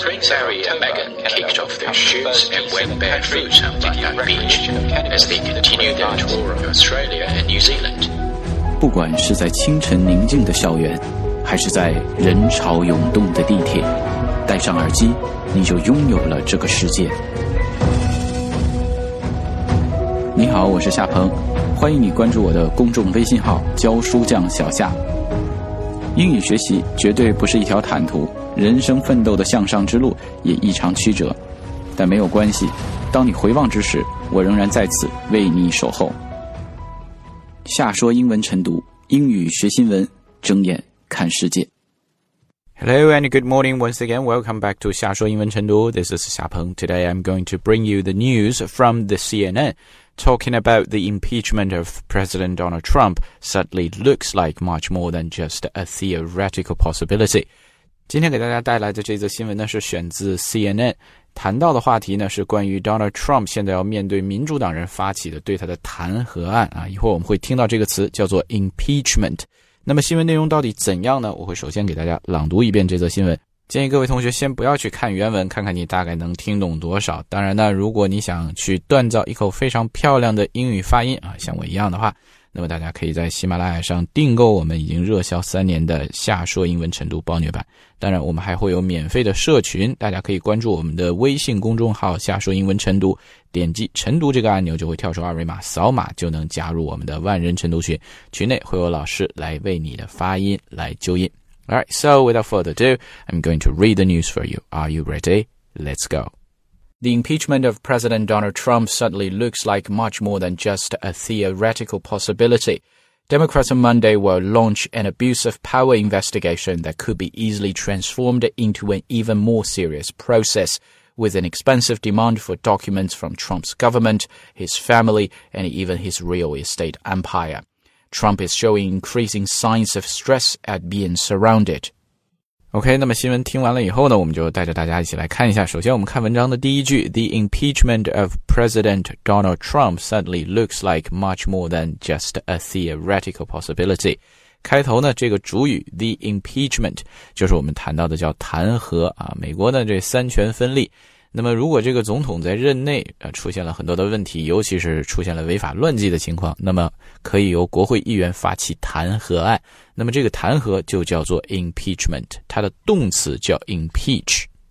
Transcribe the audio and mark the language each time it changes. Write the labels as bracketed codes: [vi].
[en] Prince Harry and Meghan kicked off their shoots and went barefoot on Bundang Beach as they continued their tour of Australia and New Zealand. [zh] 不管是在清晨宁静的校园，还是在人潮涌动的地铁，戴上耳机，你就拥有了这个世界。你好，我是夏鹏，欢迎你关注我的公众微信号教书匠小夏。英语学习绝对不是一条坦途，人生奋斗的向上之路也异常曲折，但没有关系，当你回望之时，我仍然在此为你守候。夏说英文晨读，英语学新闻，睁眼看世界。 [en] Hello and good morning once again. Welcome back to 夏说英文晨读。This is 夏鹏。 Today I'm going to bring you the news from the CNN, talking about the impeachment of President Donald Trump suddenly looks like much more than just a theoretical possibility. [zh] 今天给大家带来的这则新闻呢，是选自 CNN。谈到的话题呢，是关于 Donald Trump 现在要面对民主党人发起的对他的弹劾案啊。一会儿我们会听到这个词叫做 impeachment。那么新闻内容到底怎样呢？我会首先给大家朗读一遍这则新闻。建议各位同学先不要去看原文，看看你大概能听懂多少。当然呢，如果你想去锻造一口非常漂亮的英语发音啊，像我一样的话，那么大家可以在喜马拉雅上订购我们已经热销三年的夏说英文晨读暴虐版。当然我们还会有免费的社群，大家可以关注我们的微信公众号夏说英文晨读，点击晨读这个按钮就会跳出二维码，扫码就能加入我们的万人晨读群，群内会有老师来为你的发音来纠音。 [en] Alright, so without further ado, I'm going to read the news for you. Are you ready? Let's go. The impeachment of President Donald Trump suddenly looks like much more than just a theoretical possibility. Democrats on Monday will launch an abuse of power investigation that could be easily transformed into an even more serious process, with an expensive demand for documents from Trump's government, his family, and even his real estate empire. Trump is showing increasing signs of stress at being surrounded. [zh] OK, 那么新闻听完了以后呢，我们就带着大家一起来看一下。首先我们看文章的第一句， [en] The impeachment of President Donald Trump suddenly looks like much more than just a theoretical possibility. [zh] 开头呢，这个主语 The impeachment 就是我们谈到的叫弹劾啊。美国呢，这三权分立，那么如果这个总统在任内出现了很多的问题，尤其是出现了违法乱纪的情况，那么可以由国会议员发起弹劾案。那么这个弹劾就叫做 impeachment, 它的动词叫 impeach。